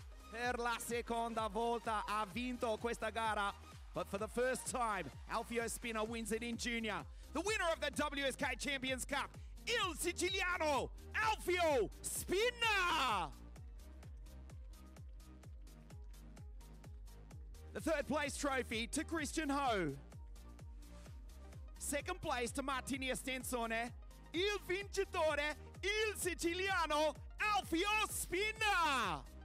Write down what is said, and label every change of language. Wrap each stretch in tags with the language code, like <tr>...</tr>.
<it>Per la seconda volta ha vinto questa gara.</it> <en>But for the first time, Alfio Spina wins it in junior. The winner of the WSK Champions Cup, Il Siciliano, Alfio Spina. The third place trophy to Christian Ho. Second place to Martini Stensone.</en> <it>Il vincitore, Il Siciliano, Alfio Spina.</it>